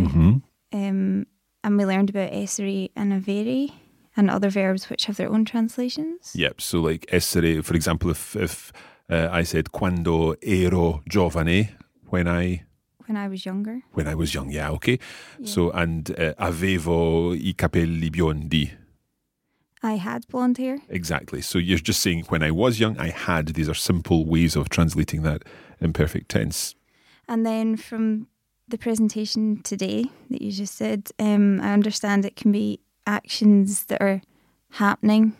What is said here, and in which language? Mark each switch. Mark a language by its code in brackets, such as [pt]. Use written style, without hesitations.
[en] mm-hmm. And we learned about essere and avere. And other verbs which have their own translations. Yep, so like essere, for example, if I said [it] quando ero giovane, [en] when I was younger. When I was young, yeah, okay. Yeah. So, and [it] avevo I capelli biondi. [en] I had blonde hair. Exactly. So you're just saying when I was young, I had. These are simple ways of translating that imperfect tense. And then from the presentation today that you just said, I understand it can be actions that are happening.